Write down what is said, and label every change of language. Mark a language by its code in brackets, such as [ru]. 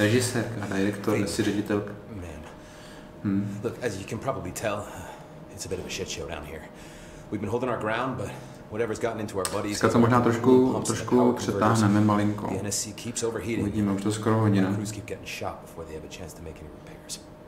[cs] Režisérka, director, jsi ředitelka. [en] Man. Look, as you can probably tell, it's a bit of a shit show down here. We've been holding our ground, but whatever's gotten into our buddies... [cs] Dneska to možná trošku přetáhneme malinko. [en] The NSC keeps overheating. [cs] Uvidíme, už to skoro hodina. [en] The crews keep getting shot before they have a chance to make any repairs.